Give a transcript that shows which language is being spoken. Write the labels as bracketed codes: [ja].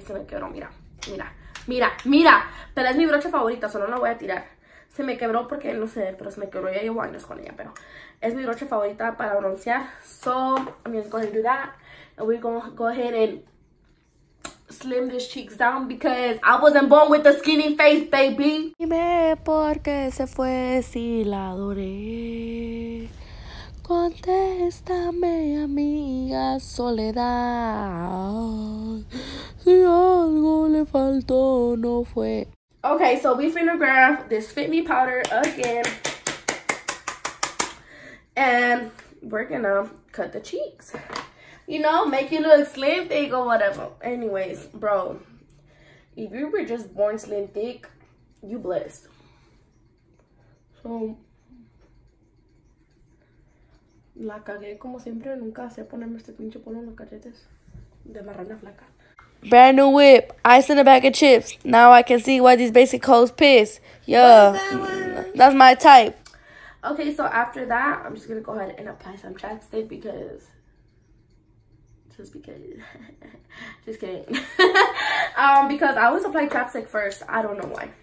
[es] Se me quebró, mira, pero es mi brocha favorita, solo la voy a tirar. Se me quebró porque no sé, pero se me quebró, ya llevo años con ella, pero es mi brocha favorita para broncear. [en] So I'm gonna go ahead and do that. And we're going to go ahead and slim these cheeks down because I wasn't born with a skinny face, baby. [es] Dime por qué se fue si la adoré. Contéstame, amiga soledad. Si algo le faltó, no fue. [en] Okay, so we finna grab this Fit Me powder again. And we're going to cut the cheeks. You know, make you look slim, big or whatever. Anyways, bro, If you were just born slim thick, you blessed. [es] So, la cagué como siempre. Nunca sé ponerme este pinche polo en los cachetes. De marrana flaca. [en] Brand new whip, ice in a bag of chips. Now I can see why these basic hoes piss. Yeah, that's my type. Okay, so after that, I'm just gonna go ahead and apply some chapstick because. Just kidding. because I always apply chapstick first. I don't know why.